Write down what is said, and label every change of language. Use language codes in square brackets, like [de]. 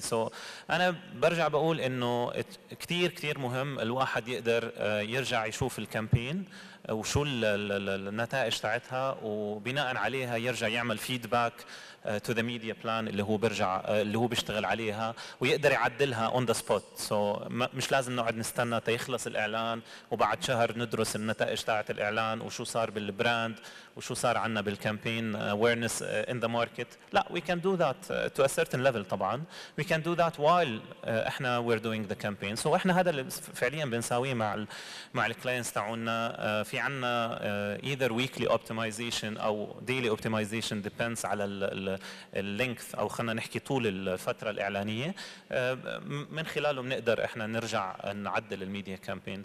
[ar] So أنا برجع بقول أنه كتير كتير مهم الواحد يقدر يرجع يشوف الكامبين وشو النتائج تاعتها، وبناء عليها يرجع يعمل [en] feedback to the media plan [ar] اللي هو برجع اللي هو بيشتغل عليها، ويقدر يعدلها [en] on the spot. [ar] So مش لازم نقعد نستنى تيخلص الإعلان وبعد شهر ندرس النتائج تاعت الإعلان وشو صار بالبراند وشو صار عنا بالكامبين [en] awareness in the market. لا، we can do that to a certain level. طبعا we can do that while احنا we're doing the campaign. [ar] So احنا هذا اللي فعليا بنساويه مع الكلاينتس تاعونا. في عنا [en] either weekly optimization [ar] او [en] daily optimization depends [ar] على اللينكث او خلينا نحكي طول الفتره الاعلانيه، من خلاله بنقدر احنا نرجع نعدل الميديا كامبين.